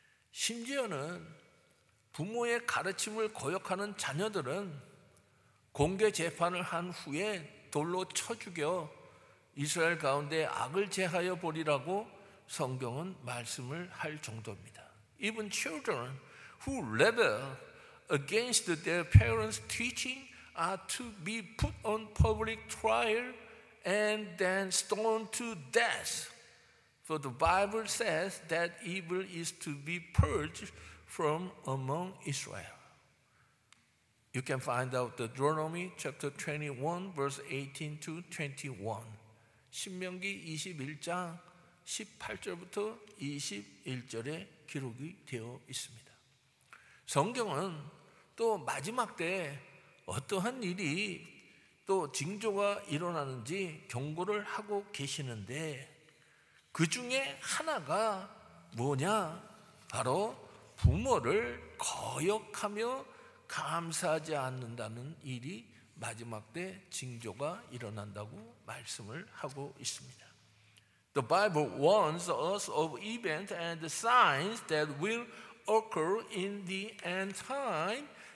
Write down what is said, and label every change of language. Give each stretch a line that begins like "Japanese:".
Korean: 심지어는 부모의 가르침을 거역하는 자녀들은 공개 재판을 한 후에 돌로 쳐 죽여 이스라엘 가운데 악을 제하여 버리라고 성경은 말씀을 할 정도입니다.
English: Even children who rebel against their parents' teaching are to be put on public trial and then stoned to death. For the Bible says that evil is to be purged from among Israel. You can find out the Deuteronomy chapter 21 verse 18 to 21.
Korean: 신명기 21장 18절부터 21절에 기록이 되어 있습니다. 성경은 또 마지막 때 어떠한 일이 또 징조가 일어나는지 경고를 하고 계시는데 그 중에 하나가 뭐냐? 바로 부모를 거역하며 감사하지 않는다는 일이 마지막 때 징조가 일어난다고 말씀을 하고 있습니다.
English: The Bible warns us of events and signs that will occur in the end time.